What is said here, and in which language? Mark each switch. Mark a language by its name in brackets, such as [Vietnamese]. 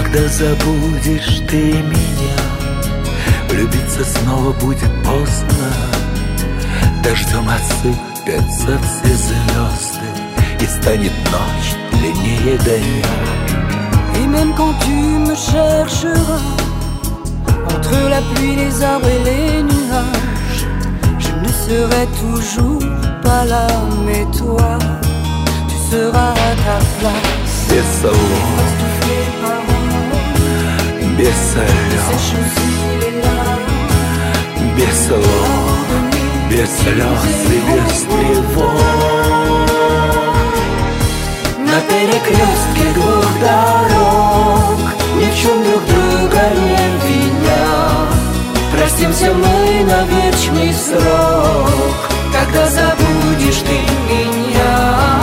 [Russian] Забудешь ты меня, влюбиться снова будет поздно. Дождем осыпятся все звезды, и станет ночь длиннее дня. И [French] même quand tu me chercheras, entre la pluie, les arbres et les nuages, je ne serai toujours pas là, mais toi, tu seras à ta place. [Russian] Без слов, без слез, без слов, без слез и без тревог. На перекрестке двух дорог ни в чем друг друга не виня, простимся мы на вечный срок, когда забудешь ты меня.